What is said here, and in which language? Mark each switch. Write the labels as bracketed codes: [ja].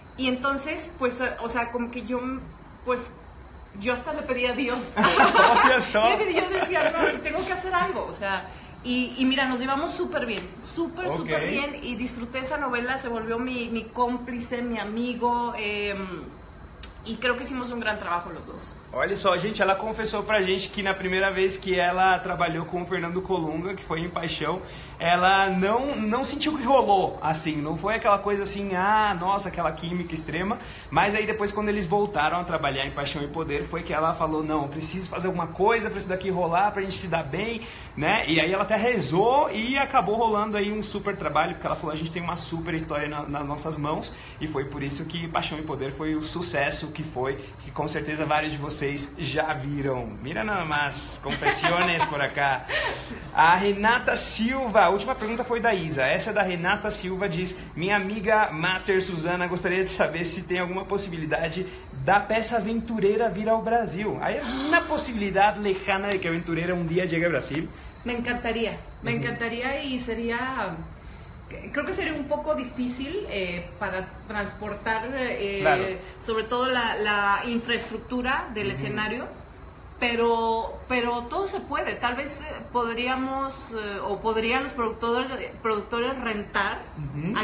[es] Y entonces, pues, o sea, como que yo, pues... Yo hasta le pedí a Dios. Yo decía, no, tengo que hacer algo. O sea, y mira, nos llevamos súper bien. Súper, okay, súper bien. Y disfruté esa novela, se volvió mi cómplice, mi amigo. Y creo que hicimos un gran trabajo los dos. [pt] Olha só, gente, ela confessou pra gente que na primeira vez que ela trabalhou com o Fernando Colunga, que foi em Paixão, ela não sentiu que rolou, assim, não foi aquela coisa assim, ah, nossa, aquela química extrema, mas aí depois quando eles voltaram a trabalhar em Paixão e Poder, foi que ela falou, não, preciso fazer alguma coisa pra isso daqui rolar, pra gente se dar bem, né, e aí ela até rezou e acabou rolando aí um super trabalho, porque ela falou, a gente tem uma super história nas nossas mãos, e foi por isso que Paixão e Poder foi o sucesso que foi, que com certeza vários de vocês vocês já viram. [es] Mira nada más, confesiones por acá. [pt] A Renata Silva, a última pergunta foi da Isa. Essa é da Renata Silva, diz: minha amiga Master Suzana gostaria de saber se tem alguma possibilidade da peça Aventureira vir ao Brasil. Aí, uma possibilidade lejana de que Aventureira um dia chegue ao Brasil? Me encantaria, me encantaria e seria... [es] Creo que sería un poco difícil para transportar, claro, sobre todo la infraestructura del uh-huh. escenario, pero todo se puede. Tal vez podríamos o podrían los productores rentar uh-huh.